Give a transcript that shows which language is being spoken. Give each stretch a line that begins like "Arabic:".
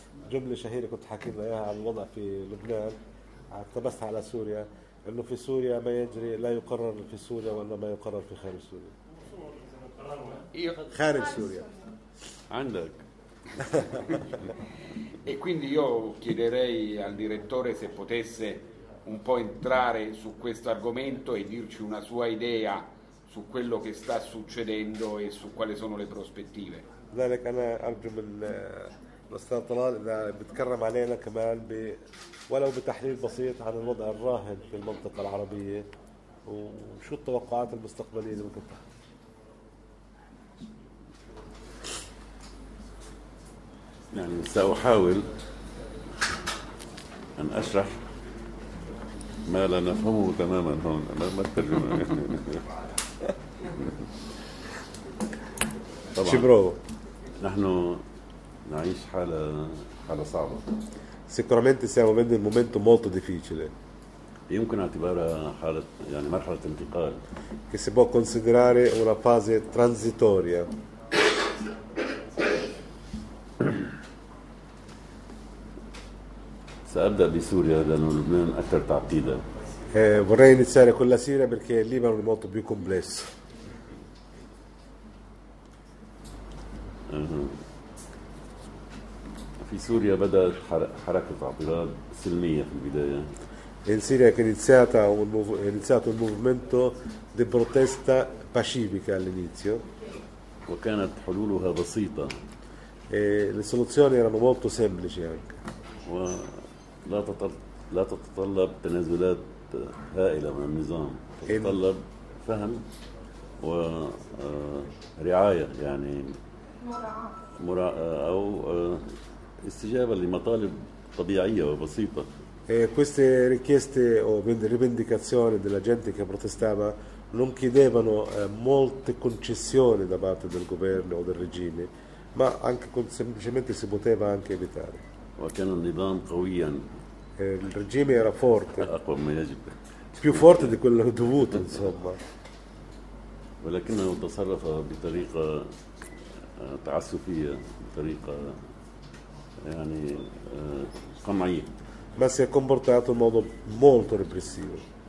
Arabic: جملة شهيرة كنت حكي لنا إياها عن الوضع في لبنان اقتبستها على سوريا إنه في سوريا ما يجري لا يقرر في سوريا وإنما يقرر في خارج سوريا. خارج سوريا عندك.
Italian: E quindi io chiederei al direttore se potesse un po' entrare su questo argomento e dirci una sua idea su quello che sta succedendo e su quali sono le prospettive.
Arabic: ذلك أنا أرجو من الأستاذ طلال إذا بتكرم علينا كمان ولو بتحليل بسيط عن الوضع الراهن في المنطقة العربية وشو التوقعات المستقبلية اللي ممكن تحدث. يعني سأحاول أن أشرح ما لا نفهمه تماما هون ما الترجمة طبعا شبرو. نحن نعيش حالة صعبة.
Italian: Sicuramente siamo vivendo un momento molto difficile.
Arabic: يمكن اعتبارها حالة يعني مرحلة انتقال.
Italian: Che si può considerare una fase transitoria.
Arabic: سأبدأ بسوريا لأنه لبنان أكثر تعقيدا.
Italian: Vorrei iniziare con la Siria perché il Libano è molto più complesso.
Arabic: في سوريا بدأت حركة اعتراض سلمية في البداية.
Italian: In Siria è iniziata un movimento di protesta pacifica all'inizio.
Arabic: وكانت حلولها بسيطة.
Italian: Le soluzioni erano molto semplici anche.
Arabic: لا تتطلب تنازلات هائلة من النظام. تتطلب فهم ورعاية يعني مراعاة أو استجابة لمطالب طبيعية وبسيطة.
Italian: Queste richieste o rivendicazioni della gente che protestava non chiedevano molte concessioni da parte del governo o del regime, ma anche semplicemente si poteva anche evitare.
Arabic: وكان النظام قويا.
Italian: Il regime era forte.
Arabic: أقوى ما يجب.
Italian: Più forte di quello dovuto, insomma.
Arabic: ولكنه تصرف بطريقة تعسفية بطريقة يعني قمعية.
Italian: ما si è comportato in modo molto repressivo.